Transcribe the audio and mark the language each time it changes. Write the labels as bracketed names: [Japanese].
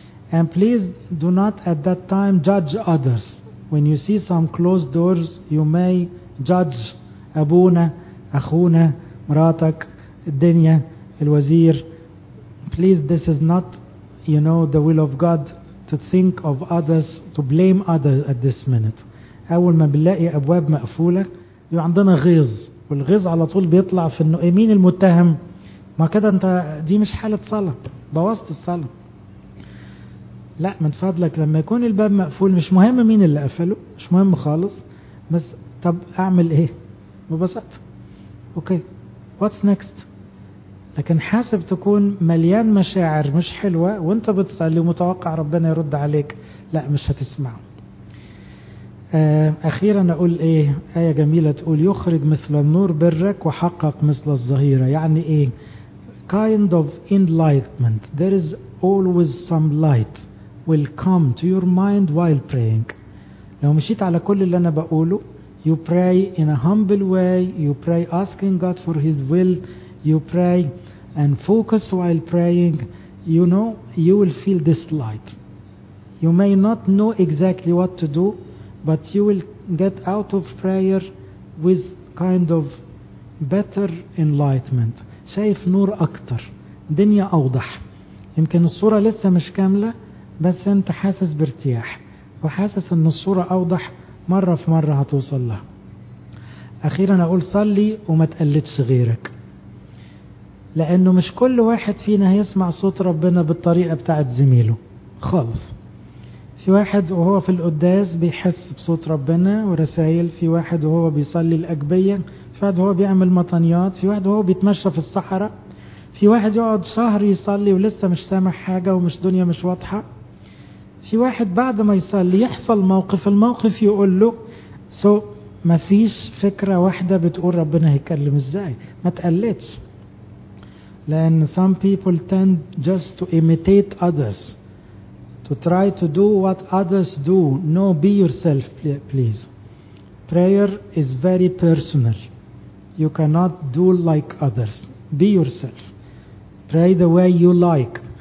[English] And please do not at that time judge others. When you see some closed doors, you may judge [Arabic] أبونا، أخونا، مراتك، الدنيا، الوزير. [English] Please, this is not, you know, the will of God. To think of others, to blame others at this minute. [Arabic] أول ما بنلاقي أبواب مقفولة يبقى عندنا غيظ، والغيظ على طول بيطلع في إنه مين المتهم؟ ما كده أنت دي مش حالة صلاة، بوظت الصلاة. لا، من فضلك لما يكون الباب مقفول مش مهم مين اللي قفله، مش مهم خالص، بس طب أعمل إيه؟ ببساطة. [English] Okay, what's next? [Arabic] لكن حاسب تكون مليان مشاعر مش حلوة وانت بتصلي ومتوقع ربنا يرد عليك، لا مش هتسمعه. أخيرا أقول إيه، آية جميلة تقول يخرج مثل النور برك وحقق مثل الظهيرة. يعني إيه؟ [English] kind of enlightenment. There is always some light will come to your mind while praying. [Arabic] لو مشيت على كل اللي أنا بقوله، [English] you pray in a humble way, you pray asking God for His will, you pray and focus while praying, you know, you will feel this light. You may not know exactly what to do, but you will get out of prayer with kind of better enlightenment. [Arabic] شايف نور أكتر، دنيا أوضح. يمكن الصورة لسه مش كاملة، بس أنت حاسس بارتياح وحاسس أن الصورة أوضح، مرة في مرة هتوصل لها. أخيرا أقول صلي وما تقلدش غيرك، لأنه مش كل واحد فينا هيسمع صوت ربنا بالطريقة بتاعت زميله خالص. في واحد وهو في القداس بيحس بصوت ربنا ورسائل، في واحد وهو بيصلي الأجبية، في واحد وهو بيعمل مطنيات، في واحد وهو بيتمشى في الصحراء، في واحد يقعد شهر يصلي ولسه مش سامع حاجة ومش دنيا مش واضحة، في واحد بعد ما يصلي يحصل موقف، الموقف يقول له سو مفيش فكرة واحدة بتقول ربنا هيكلم ازاي. ما تقلتش، لأن [English] some people tend just to imitate others, to try to do what others do. No, be yourself, please. Prayer is very personal. You cannot do like others. Be yourself. Pray the way you like.